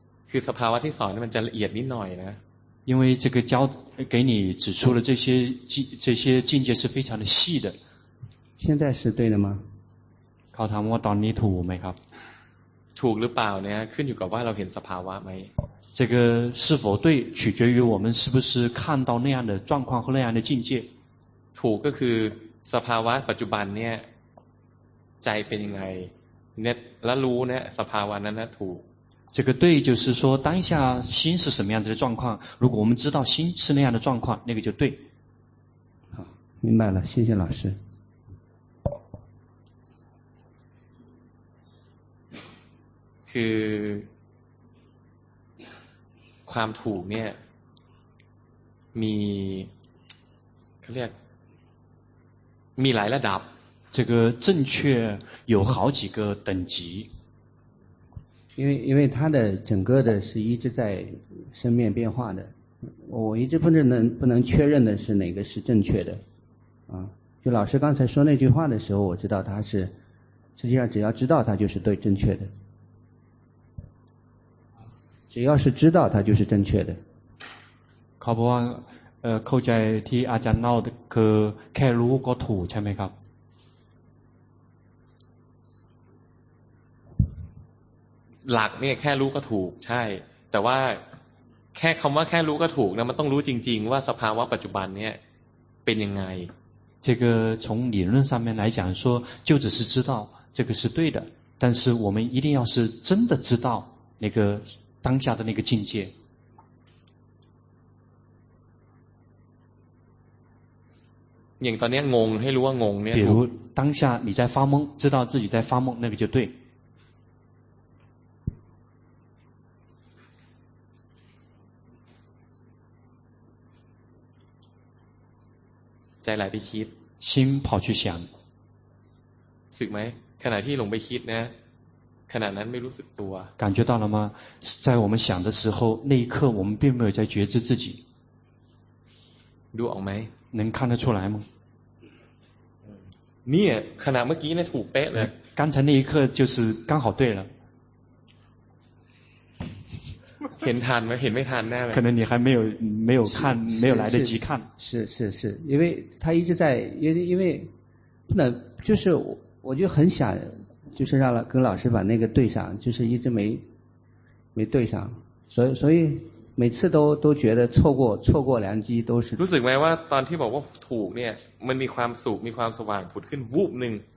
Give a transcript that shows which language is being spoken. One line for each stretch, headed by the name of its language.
Thai: คือสภาวะที่สอนนี่มันจะละเอียดนิดหน่อยนะ
Chinese: 因为这个教给你指出了这些境界是非常的细的现在是对的吗
Thai: เขาถามว่าตอนนี้ถูกไหมครับ ถูกหรือเปล่าเนี่ยขึ้นอยู่กับว่าเราเห็นสภาวะไหม
Chinese: 这个是否对取决于我们是不是看到那样的状况和那样的境界
Thai: ถูกก็คือสภาวะปัจจุบันเนี่ยใจเป็นยังไงเน็ตและรู้เนี่ยสภาวะนั้นนะถูก
Chinese: 这个对就是说当下心是什么样子的状况如果我们知道心是那样的状况那个就对好明白了谢谢老师
Thai: คือความถูกเนี่ยมีเขาเรียกมีหลายระดับ
Chinese: 这个正确有好几个等级因为它的整个的是一直在生灭变化的我一直不能确认的是哪个是正确的啊就老师刚才说那句话的时候我知道它是实际上只要知道它就是对正确的只要是知道它就是正确的
Thai: ขอบคุณเข้าใจที่อาจารย์เล่าคือแค่รู้ก็ถูกใช่ไหมครับ หลักเนี่ยแค่รู้ก็ถูกใช่แต่ว่าแค่คำว่าแค่รู้ก็ถูกนะมันต้องรู้จริงๆว่าสภาวะปัจจุบันเนี่ยเป็นยังไง
Chinese: 这个从理论上面来讲说就只是知道这个是对的但是我们一定要是真的知道那个当下的那个境界
Thai: อย่างตอนนี้งงให้รู้ว่างงเนี่ย
Chinese: 比如当下你在发懵知道自己在发懵那个就对
Thai: ใจไหลไปคิด
Chinese: 心跑去想
Thai: สึกไหมขณะที่หลงไปคิดนะขณะนั้นไม่รู้สึกตัว
Chinese: 感觉到了吗在我们想的时候那一刻我们并没有在觉知自己
Thai: ดูออกไหม
Chinese: 能看得出来吗
Thai: นี่ขณะเมื่อกี้เนี่ยถูกเป๊ะเลย
Chinese: 刚才那一刻就是刚好对了
Thai: เห็นทันไหมเห็นไม่ทันแน่เลย
Chinese: 可能你还没有看没有来得及看是是是因为他一直在因为不能就是我就很想就是让跟老师把那个对上就是一直没对上所以每次都觉得错过良机都是
Thai: รู้สึกไหมว่าตอนที่บอกว่าถูกเนี่ยมันมีความสุขมีความสว่างผุดขึ้นวูบหนึ่ง